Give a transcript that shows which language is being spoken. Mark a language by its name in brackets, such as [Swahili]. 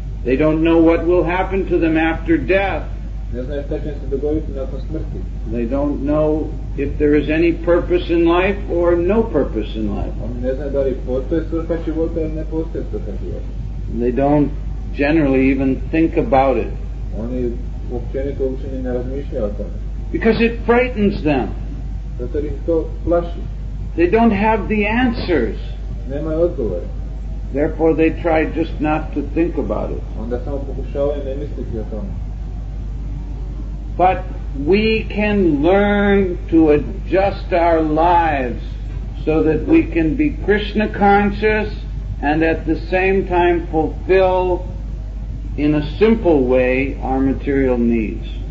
[English] They don't know what will happen to them after death. [Croatian] Ne znaju šta će se dogoditi nakon smrti. [English] They don't know if there is any purpose in life or no purpose in life. [Croatian] Oni ne znaju da li postoje svrha života ili ne postoje svrha života. [English] They don't generally even think about it. [Croatian] Oni općenito uopće ni ne razmišljaju o tome. [English] Because it frightens them. [Croatian] Zato ih to plaši. [English] They don't have the answers. [Croatian] Nemaju odgovore. [English] Therefore they try just not to think about it. [Croatian] Onda samo pokušavaju ne misliti o tome. [English] But we can learn to adjust our lives so that we can be Krishna conscious and at the same time fulfill in a simple way our material needs.